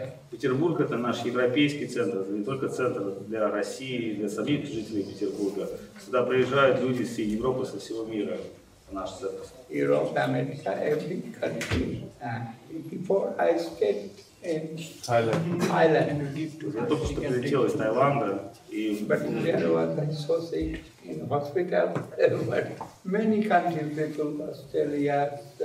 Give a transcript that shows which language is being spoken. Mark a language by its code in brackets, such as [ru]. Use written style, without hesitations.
[ru] Петербург — это наш европейский центр, не только центр для России, для самих жителей Петербурга. Сюда приезжают люди из всей Европы, со всего мира, в наш центр. [en] Europe, America, every country. Before I stayed in Thailand. [ru] Я только что прилетел из Таиланда. [en] But there was associate in hospital, but many countries people, Australia,